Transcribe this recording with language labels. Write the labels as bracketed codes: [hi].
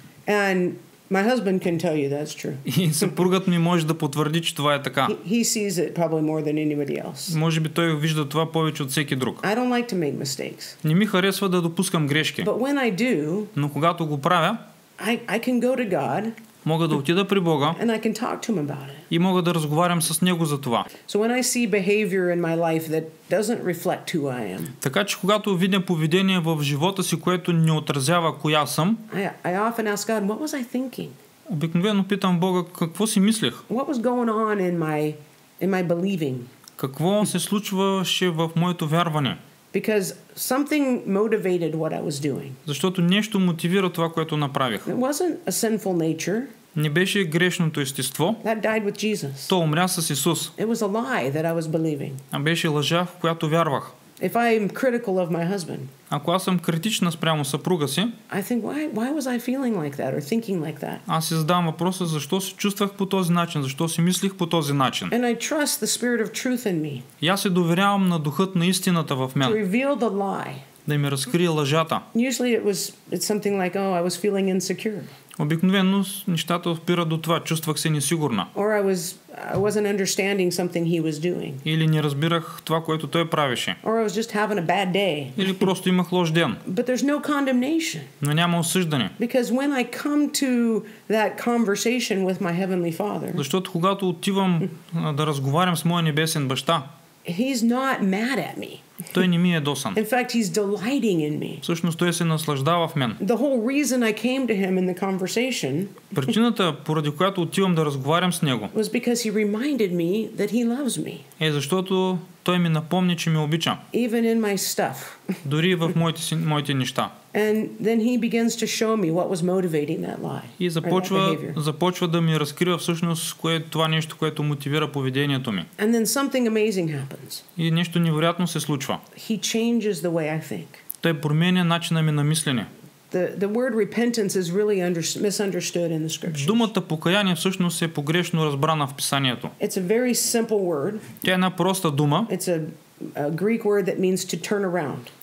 [en] And my husband can tell you that's true. [bg] И съпругът ми може да потвърди, че това е така. [en] He sees it probably more than anybody else. [bg] Може би той вижда това повече от всеки друг. [en] I don't like to make mistakes. [bg] Не ми харесва да допускам грешки. [en] But when I do, [bg] но когато го правя, [en] I can go to God. [bg] Мога да отида при Бога. [en] And I can talk to him about it. [bg] И мога да разговарям с него за това. [en] So when I see behavior in my life that doesn't reflect who I am. [bg] Така че когато видя поведение в живота си, което не отразява коя съм, [en] I often ask God, what was I thinking? [bg] Обикновено питам Бога, какво си мислех? [en] What was going on in my believing? [bg] Какво се случваше в моето вярване? [en] Because something motivated what I was doing. [bg] Защото нещо мотивира това, което направих. [en] It wasn't a sinful nature. [bg] Не беше грешното естество. [en] That died with Jesus. [bg] То умря с Исус. [en] It was a lie that I was believing. [bg] А беше лъжа, в която вярвах. [en] If I am critical of my husband, [bg] ако аз съм критична спрямо съпруга си, [en] I think, why was I feeling like that or thinking like that? [bg] Аз си задам въпроса, защо се чувствах по този начин, защо си мислих по този начин. [en] And I trust the spirit of truth in me. [bg] И аз се доверявам на духът на истината в мен. [en] To reveal the lie. [bg] да ми разкрие лъжата. [en] Usually it was something like, oh, I was feeling insecure. [bg] Обикновено нещата опират до това, чувствах се несигурна. [en] Or I wasn't understanding something he was doing. [bg] Или не разбирах това, което той правеше. [en] Or I was just having a bad day. [bg] Или просто имах лош ден. [en] But there's no condemnation. [bg] Но няма осъждане. [en] Because when I come to that conversation with my heavenly father. [bg] Защото когато отивам да разговарям с моя небесен баща, [en] he's not mad at me. [bg] Той не ми е досан. [en] In fact, he's delighting in me. [bg] Всъщност той се наслаждава в мен. [en] The whole reason I came to him in the conversation. [bg] Причината, поради която отивам да разговарям с него. [en] Was because he reminded me that he loves me. [bg] Е защото той ми напомни, че ме обича. [en] Even in my stuff. [bg] Дори в моите неща. [en] And then he begins to show me what was motivating that lie. [bg] И започва да ми разкрива всъщност кое е това нещо, което мотивира поведението ми. [en] And then something amazing happens. [bg] И нещо невероятно се случва. [en] He changes the way I think. [bg] Той променя начина ми на мислене. [en] The word repentance is really misunderstood in the scriptures. [bg] Думата покаяние всъщност е погрешно разбрана в писанието. [en] It's a very simple word. [bg] Тя е една проста дума. [en] It's a Greek word that means to turn around.